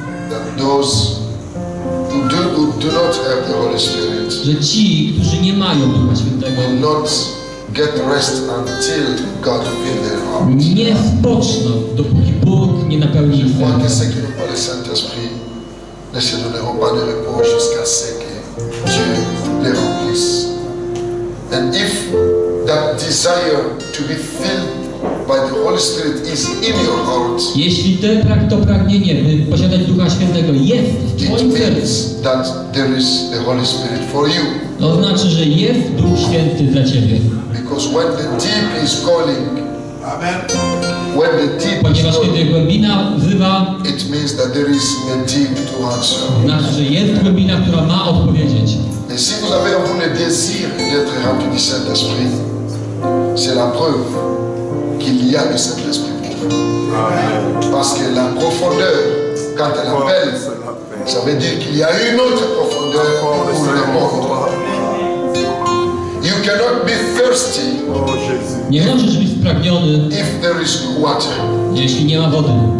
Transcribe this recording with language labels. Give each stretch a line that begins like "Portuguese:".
English: That those do not have the Holy Spirit.
Polish: Że ci, którzy nie mają Ducha Świętego,
English: will not get rest until God fill their heart.
Polish: Nie spoczną, dopóki Bóg nie napełni ich serca.
French: Quoi que ce que nous parle Saint-Esprit, ne se donneront pas de repos jusqu'à ce que Dieu les remplisse.
English: And if that desire to be filled by the Holy Spirit is in your heart.
Polish: Jeśli to pragnienie, by posiadać Ducha Świętego, jest w twoim sercu.
English: It means that there is the Holy Spirit for you.
Polish: To znaczy, że jest Duch Święty dla ciebie.
English: Because when the deep is calling, amen. When the deep
Polish: ponieważ
English: is calling,
Polish: głębina wzywa,
English: it means that there is a deep to answer.
Polish: To znaczy, że jest głębina, która ma odpowiedzieć.
French: Et si vous avez un désir d'être rempli du Saint-Esprit, c'est la preuve qu'il y a le Saint-Esprit pour vous. Parce que la profondeur, quand elle appelle, ça veut dire qu'il y a une autre profondeur pour le monde.
English: You cannot be thirsty if there is no water.